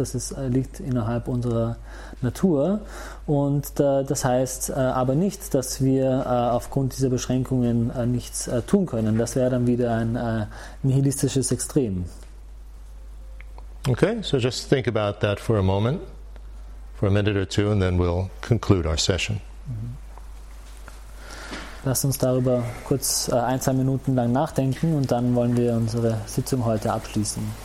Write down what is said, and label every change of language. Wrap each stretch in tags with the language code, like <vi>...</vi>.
<de>Das ist, liegt innerhalb unserer Natur. Und das heißt aber nicht, dass wir aufgrund dieser Beschränkungen nichts tun können. Das wäre dann wieder ein nihilistisches Extrem.</de> <en>Okay, so just think about that for a moment, for a minute or two, and then we'll conclude our session.</en> <de>Lass uns darüber kurz ein, zwei Minuten lang nachdenken und dann wollen wir unsere Sitzung heute abschließen.</de>